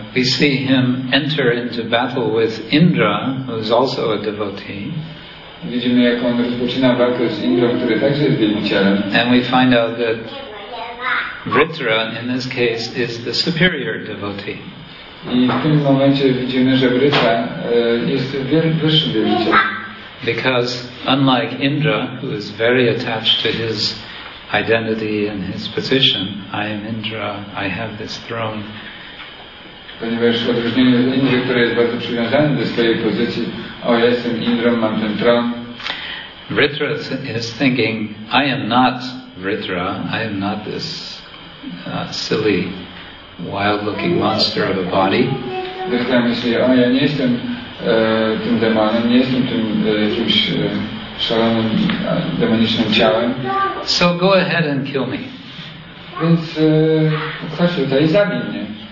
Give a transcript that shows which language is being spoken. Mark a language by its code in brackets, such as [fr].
[en] We see him enter into battle with Indra, who is also a devotee. [pl] Widzimy, jak on rozpoczyna walkę z Indrą, który także jest wielkim ciałem. [en] And we find out that Vritra, in this case, is the superior devotee. [pl] I w tym momencie widzimy, że Vritra jest wyższym wielkim ciałem. [en] Because unlike Indra, who is very attached to his identity and his position, I am Indra, I have this throne. [pl] Ponieważ w odróżnieniu od Indry, który jest bardzo przywiązany do swojej pozycji, o, jestem Indrą, mam ten tron. [en] Vritra is thinking, I am not Vritra, I am not this silly, wild-looking monster of a body. [pl] Zwykle myśli, o ja nie jestem tym demonem, nie jestem tym jakimś szalonym demonicznym ciałem. [en] So go ahead and kill me. [pl] Więc chodź tutaj i zabij mnie.